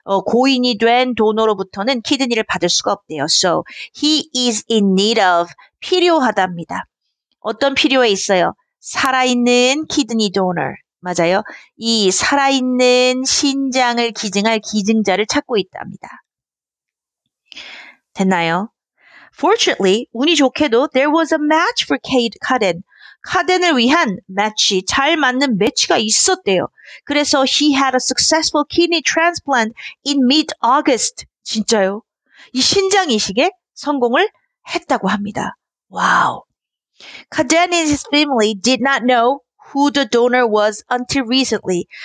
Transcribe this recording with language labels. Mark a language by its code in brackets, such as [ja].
[ko] 고인이 된 도너로부터는 키드니를 받을 수가 없대요. [en] So he is in need of [ko] 필요하답니다. 어떤 필요에 있어요? 살아있는 키드니 도너. 맞아요. 이 살아있는 신장을 기증할 기증자를 찾고 있답니다. 됐나요? [en] Fortunately, [ko] 운이 좋게도 [en] there was a match for Kate Cadden. [ko] 카덴을 위한 매치, 잘 맞는 매치가 있었대요. 그래서 [en] he had a successful kidney transplant in mid-August. [ko] 진짜요? 이 신장이식에 성공을 했다고 합니다. 와우. [en] Cadden and his family did not know who the donor was until recently.